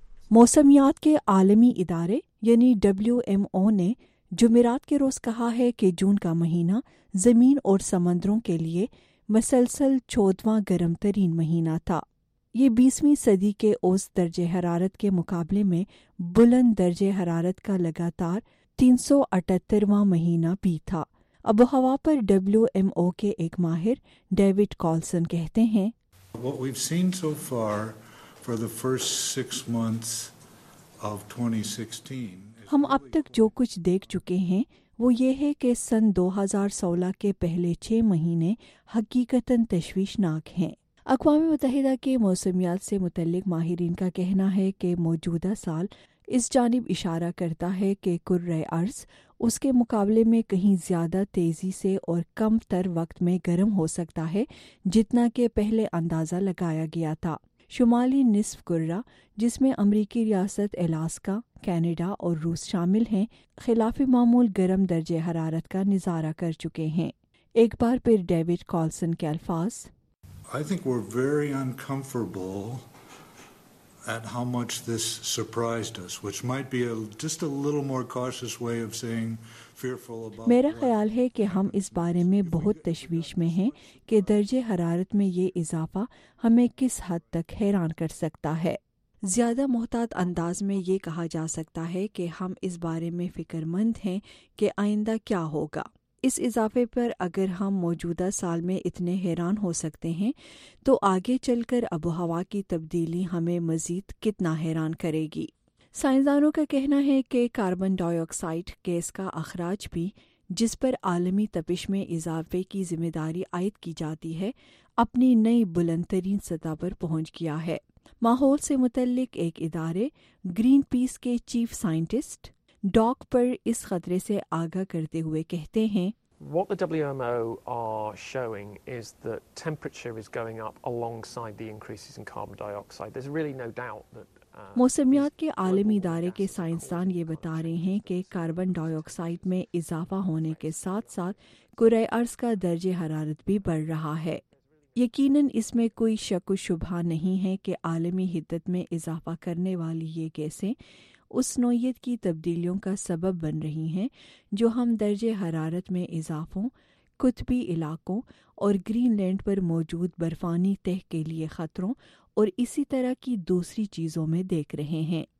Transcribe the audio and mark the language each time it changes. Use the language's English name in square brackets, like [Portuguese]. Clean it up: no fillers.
[Urdu] موسمیات کے عالمی ادارے یعنی WMO نے جمعرات کے روز کہا ہے کہ جون کا مہینہ زمین اور سمندروں کے لیے مسلسل 14واں گرم ترین مہینہ تھا. یہ 20ویں صدی کے اوسط درجہ حرارت کے مقابلے میں بلند درجہ حرارت کا لگاتار 378واں مہینہ بھی تھا. آب و ہوا پر WMO کے ایک ماہر ڈیوڈ کالسن کہتے ہیں [English] What we've seen so far for the first 6 months of 2016, [Urdu] ہم اب تک جو کچھ دیکھ چکے ہیں وہ یہ ہے کہ سن 2016 کے پہلے 6 مہینے حقیقتاً تشویشناک ہیں. اقوام متحدہ کے موسمیات سے متعلق ماہرین کا کہنا ہے کہ موجودہ سال اس جانب اشارہ کرتا ہے کہ کرۂ ارض اس کے مقابلے میں کہیں زیادہ تیزی سے اور کم تر وقت میں گرم ہو سکتا ہے جتنا کہ پہلے اندازہ لگایا گیا تھا. شمالی نصف کرہ جس میں امریکی ریاست الاسکا، کینیڈا اور روس شامل ہیں، خلاف معمول گرم درجہ حرارت کا نظارہ کر چکے ہیں. ایک بار پھر ڈیوڈ کالسن کے الفاظ، [English] I think we're very uncomfortable at how much this surprised us, which might be just a little more cautious way of saying fearful about. [Urdu] میرا خیال ہے کہ ہم اس بارے میں بہت تشویش میں ہیں کہ درجہ حرارت میں یہ اضافہ ہمیں کس حد تک حیران کر سکتا ہے. زیادہ محتاط انداز میں یہ کہا جا سکتا ہے کہ ہم اس بارے میں فکر مند ہیں کہ آئندہ کیا ہوگا. اس اضافے پر اگر ہم موجودہ سال میں اتنے حیران ہو سکتے ہیں تو آگے چل کر آب و ہوا کی تبدیلی ہمیں مزید کتنا حیران کرے گی. سائنسدانوں کا کہنا ہے کہ کاربن ڈائی آکسائڈ گیس کا اخراج بھی، جس پر عالمی تپش میں اضافے کی ذمہ داری عائد کی جاتی ہے، اپنی نئی بلند ترین سطح پر پہنچ گیا ہے. ماحول سے متعلق ایک ادارے گرین پیس کے چیف سائنٹسٹ ڈاک پر اس خطرے سے آگاہ کرتے ہوئے کہتے ہیں، [English] What the WMO are showing is that temperature is going up alongside the increases in carbon dioxide. There's really no doubt that [Urdu] موسمیات کے عالمی ادارے کے سائنسدان یہ بتا رہے ہیں کہ کاربن ڈائی آکسائڈ میں اضافہ ہونے کے ساتھ ساتھ کرۂ ارض کا درجہ حرارت بھی بڑھ رہا ہے. یقیناً اس میں کوئی شک و شبہ نہیں ہے کہ عالمی حدت میں اضافہ کرنے والی یہ گیسیں اس نوعیت کی تبدیلیوں کا سبب بن رہی ہیں جو ہم درجہ حرارت میں اضافوں، قطبی علاقوں اور گرین لینڈ پر موجود برفانی تہ کے لیے خطروں اور اسی طرح کی دوسری چیزوں میں دیکھ رہے ہیں.